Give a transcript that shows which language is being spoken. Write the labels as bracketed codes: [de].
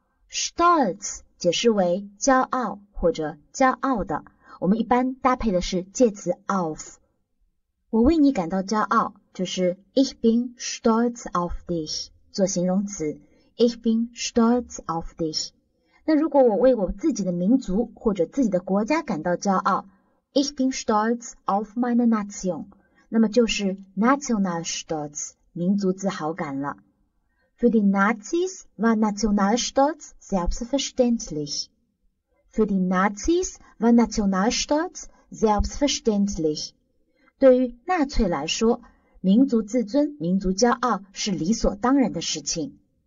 [zh] Stolz 解释为骄傲或者骄傲的，我们一般搭配的是介词 auf。我为你感到骄傲，就是 [de] Ich bin stolz auf dich， [zh] 做形容词 Ich bin stolz auf dich。那如果我为我自己的民族或者自己的国家感到骄傲， [de] Ich bin stolz auf meine Nation， [zh] 那么就是 Nationalstolz， 民族自豪感了。 [de] Für die Nazis war Nationalstolz selbstverständlich. Für die Nazis war Nationalstolz selbstverständlich. [zh] 对于纳粹来说，民族自尊、民族骄傲是理所当然的事情。